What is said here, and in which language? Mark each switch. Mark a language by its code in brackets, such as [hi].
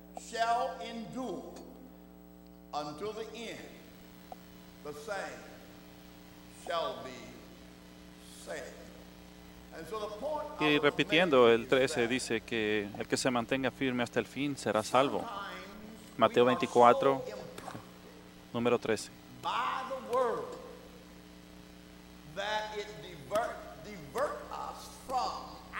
[en] Shall endure until the end, the same shall be saved. And so the point. [es] Y repitiendo el 13 dice que el que se mantenga firme hasta el fin será salvo. Mateo 24, número 13. [en] By the word that it divert us from.